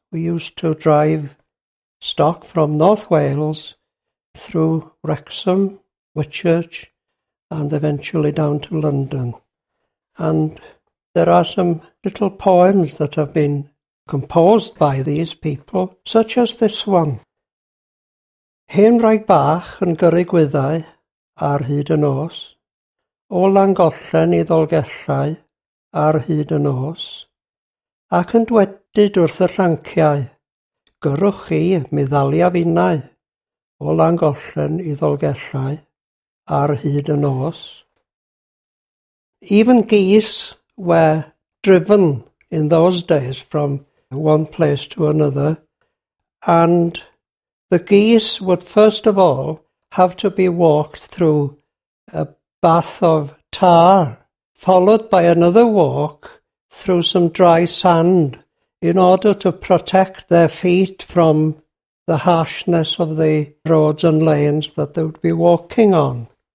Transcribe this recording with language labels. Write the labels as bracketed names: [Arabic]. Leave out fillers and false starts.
[English] We used to drive stock from North Wales through Wrexham, Whitchurch, and eventually down to London. And there are some little poems that have been composed by these people, such as this one. [Welsh] Hen wraig bach yn gyrru gwyddau ar hyd y nos, o Langollen i Ddolgellau ar hyd y nos, ac yn dwedyd wrth y llanciau, gyrrwch chi meddalia finnau o Langollen i Ddolgellau ar hyd y nos. [English] Even geese were driven in those days from one place to another, and the geese would first of all have to be walked through a bath of tar, followed by another walk through some dry sand in order to protect their feet from the harshness of the roads and lanes that they would be walking on.